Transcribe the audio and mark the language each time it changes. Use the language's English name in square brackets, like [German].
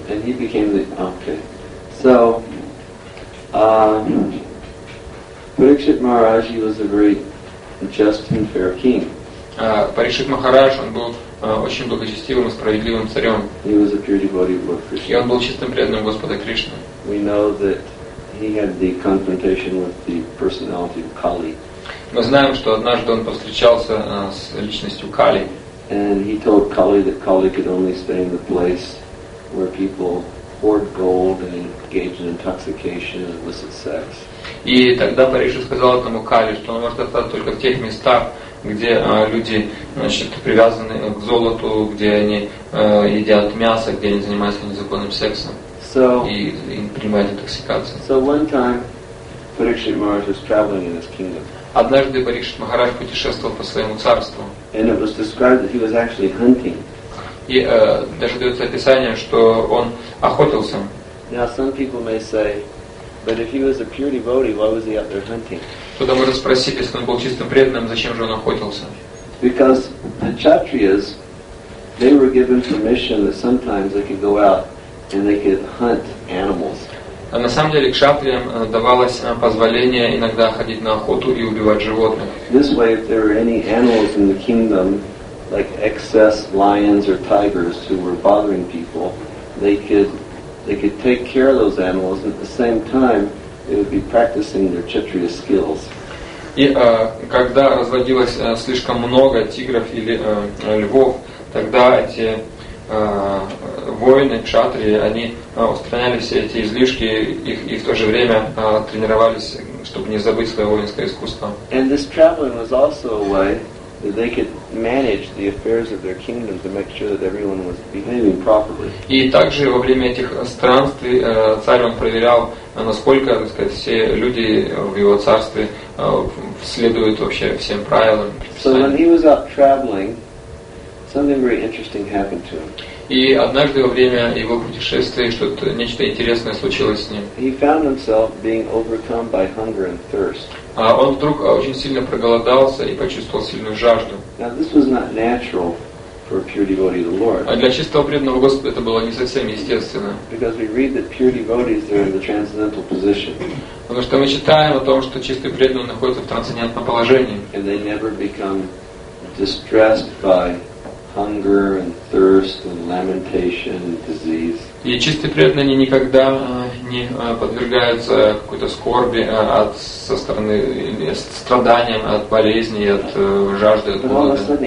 [English] And he became the okay. So, Parikshit Maharaj, he was a very just and fair king. [Russian] Парикшит Махарадж, он был очень благочестивым и справедливым царем. [English] He was a pure devotee of Lord Krishna. [Russian] И он был чистым преданным Господа Кришны. [English] We know that he had the confrontation with the personality of Kali. [Russian] Мы знаем, что однажды он повстречался с личностью Кали. [English] And he told Kali that Kali could only stay in the place where people hoard gold and engage in intoxication and illicit sex. [Russian] И тогда Парикшит сказал этому Кали, что он может остаться только в тех местах, где люди, значит, привязаны к золоту, где они едят мясо, где они занимаются незаконным сексом и принимают интоксикацию. [English] So one time Parikshit Maharaj was traveling in his kingdom. [Russian] Однажды Парикшит Махарадж путешествовал по своему царству. [English] And it was described that he was actually hunting. [Russian] И даже дается описание, что он охотился. [English] Now some people may say, but if he was a pure devotee, why was he out there hunting? [Russian] Кто-то может спросить, если он был чистым преданным, зачем же он охотился? [English] Because the kshatriyas, they were given permission that sometimes they could go out and they could hunt animals. [Russian] А на самом деле кшатриям давалось позволение иногда ходить на охоту и убивать животных. [English] This way, if there were any animals in the kingdom, like excess lions or tigers who were bothering people, they could take care of those animals, and at the same time, they would be practicing their kshatriya skills. [Russian] И когда разводилось слишком много тигров или львов, тогда эти воины, кшатрии, они устраняли все эти излишки и в то же время тренировались, чтобы не забыть свое воинское искусство. [English] And this traveling was also a way that they could manage the affairs of their kingdom to make sure that everyone was behaving properly. [Russian] И также во время этих странствий царь он проверял, насколько, так сказать, все люди в его царстве следуют вообще всем правилам. [English] So when he was out traveling, something very interesting happened to him. [Russian] И однажды во время его путешествия что-то нечто интересное случилось с ним. [English] He found himself being overcome by hunger and thirst. [Russian] А он вдруг очень сильно проголодался и почувствовал сильную жажду. [English] Now this was not natural for a pure devotee of the Lord. [Russian] А для чистого преданного Господа это было не совсем естественно. [English] Because we read that pure devotees are in the transcendental position. [Russian] Потому что мы читаем о том, что чистый преданный находится в трансцендентном положении. [English] And they never become distressed by hunger and thirst and lamentation and disease. [Russian] И чистые преданные никогда не подвергаются какой-то скорби от со стороны страданиям от болезней, от жажды, от голода.